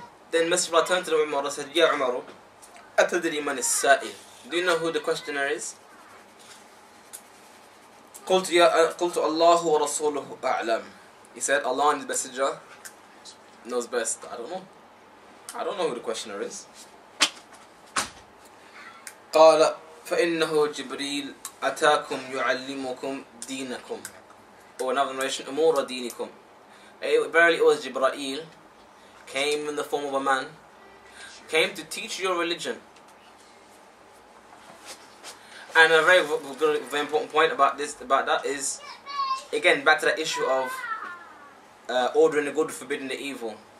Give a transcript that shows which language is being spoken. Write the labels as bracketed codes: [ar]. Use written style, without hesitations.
[en] Then Messenger turned to Umar and said, [ar] يا عمر, أتدري من السائل? [en] Do you know who the questioner is? [ar] قلت الله ورسوله أعلم. [en] He said, Allah and His Messenger knows best. I don't know who the questioner is. [ar] قال فإنه جبريل أتاكم يعلمكم دينكم. [en] Or another narration, [ar] أمور دينكم. [en] Apparently it was Jibreel, came in the form of a man, came to teach your religion. And a very, very important point about this, about that is, again, back to that issue of ordering the good, forbidding the evil.